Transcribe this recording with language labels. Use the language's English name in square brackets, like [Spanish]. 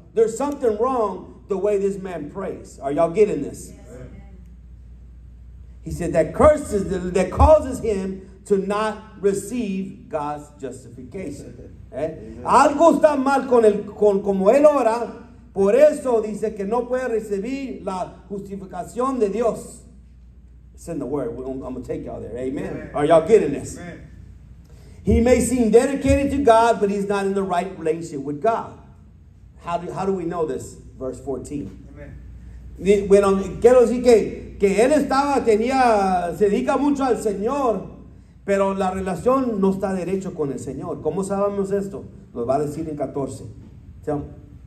[English] There's something wrong the way this man prays. Are y'all getting this? Yes. He said that curses that causes him to not receive God's justification. ¿Eh? [Spanish] Algo está mal con el con como él ora, por eso dice que no puede recibir la justificación de Dios. [English] It's in the word. I'm going to take y'all there. Amen. Amen. Are y'all getting this? Amen. He may seem dedicated to God, but he's not in the right relationship with God. How do we know this? Verse 14. Amen. [Spanish] Bueno, quiero decir que él estaba, tenía, se dedica mucho al Señor, pero la relación no está derecho con el Señor. ¿Cómo sabemos esto? Lo va a decir en 14. [English] Amen.